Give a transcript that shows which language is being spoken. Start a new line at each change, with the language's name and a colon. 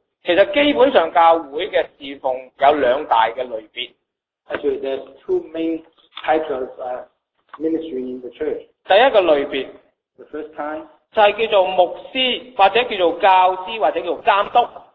Cantonese: 其實基本上教會嘅侍奉有兩大嘅類別。
English: Actually, there's two main types of ministry in the church.
Cantonese: 第一個類別
English: ，the first kind
Cantonese: 就係叫做牧師或者叫做教師或者叫做監督。